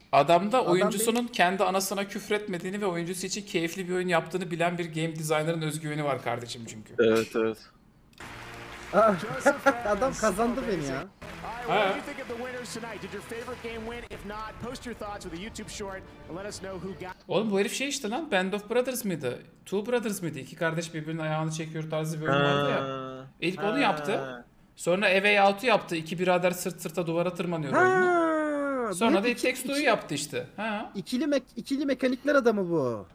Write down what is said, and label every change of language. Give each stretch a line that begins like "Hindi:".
Turkish: Adamda oyuncusunun kendi anasına küfretmediğini ve oyuncusu için keyifli bir oyun yaptığını bilen bir game designer'ın özgüveni var kardeşim çünkü. Evet evet. Adam kazandı beni ya.
English: What do you think of the winners tonight? Did your favorite game win? If not, post your thoughts with a YouTube short and let us know who got.
Turkish: Oğlum bu herif şey işte lan, Band of Brothers mıydı? Two Brothers mıydı? İki kardeş birbirinin ayağını çekiyor tarzı bir oyun vardı ya. İlk onu yaptı. Sonra A Way Out'u yaptı. İki birader sırt sırta duvara tırmanıyor oyunu. Sonra da Tech Story yaptı işte. Ha. İkili mekanikler adamı bu.